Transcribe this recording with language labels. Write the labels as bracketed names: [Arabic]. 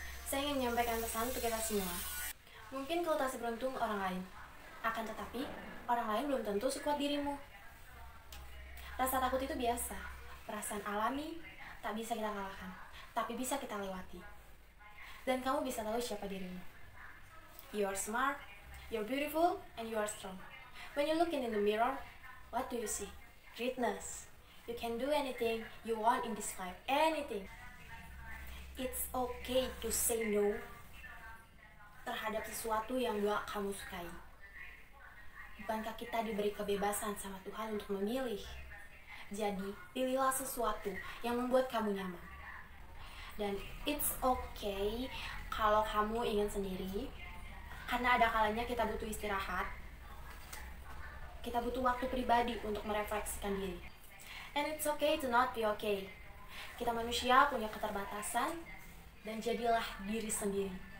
[Indonesian] Saya ingin menyampaikan pesan untuk kita semua. Mungkin kau tak seberuntung orang lain, akan tetapi orang lain belum tentu sekuat dirimu. Rasa takut itu biasa, perasaan alami tak bisa kita kalahkan, tapi bisa kita lewati. Dan kamu bisa tahu siapa dirimu. [English] You are smart, you are beautiful, and you are strong. When you look in the mirror, what do you see? Greatness. You can do anything you want in this life. Anything. It's okay to say no [Indonesian] terhadap sesuatu yang gak kamu sukai. Bukankah kita diberi kebebasan sama Tuhan untuk memilih? Jadi, pilihlah sesuatu yang membuat kamu nyaman. Dan [English] it's okay [Indonesian] kalau kamu ingin sendiri, karena ada kalanya kita butuh istirahat, kita butuh waktu pribadi untuk merefleksikan diri. [English] And it's okay to not be okay. [Indonesian] Kita manusia punya keterbatasan, dan jadilah diri sendiri.